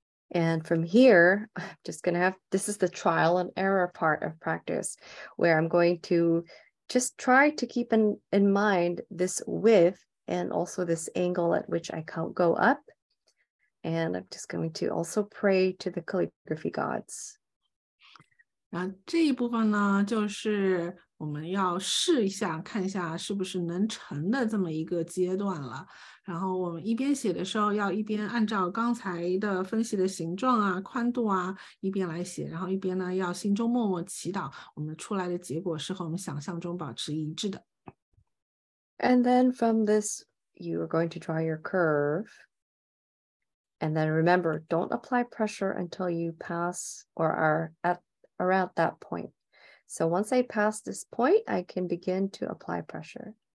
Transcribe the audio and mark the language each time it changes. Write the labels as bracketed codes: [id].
[en] And from here, I'm just going to have, this is the trial and error part of practice, where I'm going to just try to keep in mind this width and also this angle at which I go up. And I'm just going to also pray to the calligraphy gods. [zh] 然后这一部分呢，就是我们要试一下，看一下是不是能成的这么一个阶段了。然后我们一边写的时候，要一边按照刚才的分析的形状啊、宽度啊，一边来写。然后一边呢，要心中默默祈祷，我们出来的结果是和我们想象中保持一致的。 [en] And then from this you are going to draw your curve. And then remember, don't apply pressure until you pass or are at around that point. So once I pass this point, I can begin to apply pressure.